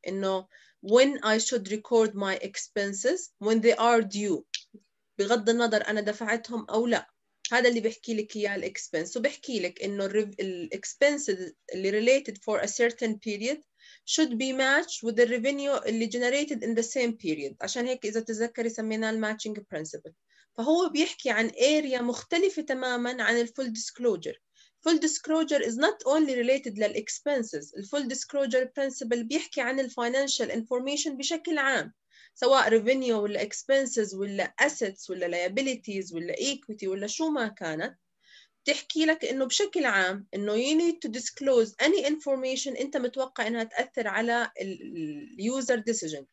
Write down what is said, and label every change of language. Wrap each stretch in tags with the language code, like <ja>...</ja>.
<en>إنه when I should record my expenses when they are due.</en> <ar>بغض النظر أنا دفعتهم أو لا، هذا اللي بحكي لك إياه الـ expense، وبحكي لك إنه الـ expenses اللي</ar> <en>related for a certain period should be matched with the revenue</en> <ar>اللي</ar> <en>generated in the same period.</en> <ar>عشان هيك إذا تذكري سميناه الـ matching principle. فهو بيحكي عن area مختلفة تماماً عن الـ full disclosure.</ar> <en>Full disclosure is not only related للـ expenses.</en> <ar>الـ full disclosure principle بيحكي عن الـ financial information بشكل عام، سواء revenue ولا expenses ولا assets ولا liabilities ولا equity ولا شو ما كانت، تحكي لك إنه بشكل عام إنه</ar> <en>you need to disclose any information</en> <ar>أنت متوقع إنها تأثر على ال user decision.</ar>